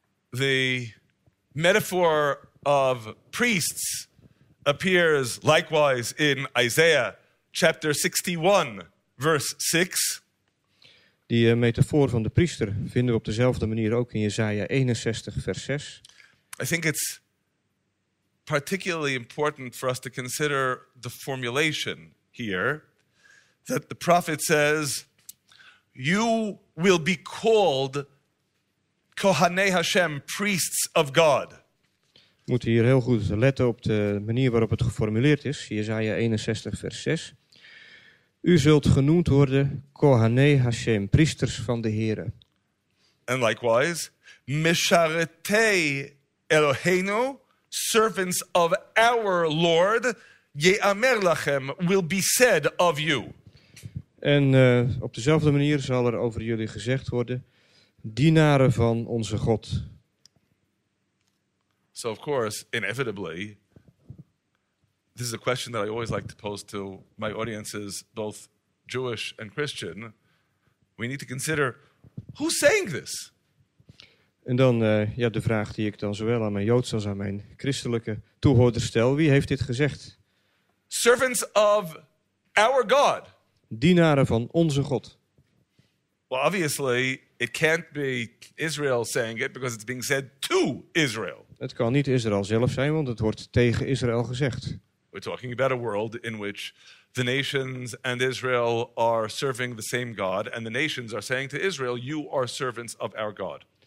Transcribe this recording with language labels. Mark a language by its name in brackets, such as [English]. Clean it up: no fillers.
[English] The metaphor of priests appears likewise in Isaiah chapter 61, verse 6. [Dutch] Die metafoor van de priester vinden we op dezelfde manier ook in Jesaja 61, vers 6. [English] I think it's particularly important for us to consider the formulation here, that the prophet says, you will be called [Hebrew] Kohanei Hashem, [English] priests of God. [Dutch] We moeten hier heel goed letten op de manier waarop het geformuleerd is, Jesaja 61, vers 6. U zult genoemd worden [Hebrew] Kohanei Hashem, [Dutch] priesters van de Heere. [English] And likewise, [Hebrew] Mesharetei Eloheinu, [English] servants of our Lord, [Hebrew] Ye'amer Lachem, [English] will be said of you. [Dutch] En op dezelfde manier zal er over jullie gezegd worden, dienaren van onze God. [English] So of course, inevitably, this is a question that I always like to pose to my audiences, both Jewish and Christian. We need to consider, who's saying this? [Dutch] En dan de vraag die ik dan zowel aan mijn Joodse als aan mijn christelijke toehoorders stel. Wie heeft dit gezegd? [English] Servants of our God. [Dutch] Dienaren van onze God. [English] Well, obviously, it can't be Israel saying it because it's being said to Israel. [Dutch] Het kan niet Israël zelf zijn, want het wordt tegen Israël gezegd. [English] We're talking about a world in which the nations and Israel are serving the same God, and the nations are saying to Israel, you are servants of our God.